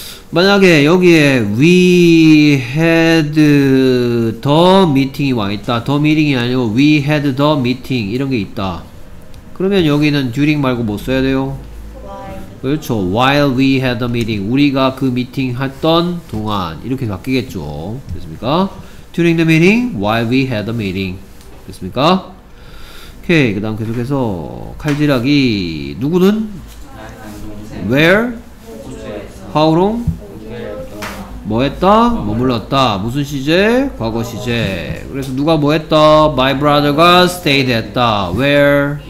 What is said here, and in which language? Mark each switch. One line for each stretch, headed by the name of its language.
Korean: 만약에 여기에
English: we had the meeting
Korean: 이 와 있다. the meeting이 아니고
English: we had the meeting
Korean: 이런 게 있다. 그러면 여기는 during 말고 뭐 써야 돼요?
English: while.
Korean: 그렇죠.
English: while we had a meeting.
Korean: 우리가 그 미팅 했던 동안. 이렇게 바뀌겠죠. 됐습니까?
English: during the meeting, while we had a meeting.
Korean: 됐습니까? 오케이. 그 다음 계속해서 칼질하기. 누구는? 동생. where? how long? 뭐 했다? 머물렀다. 무슨 시제? 과거 시제. 그래서 누가 뭐 했다? My brother가 stayed 했다. Where?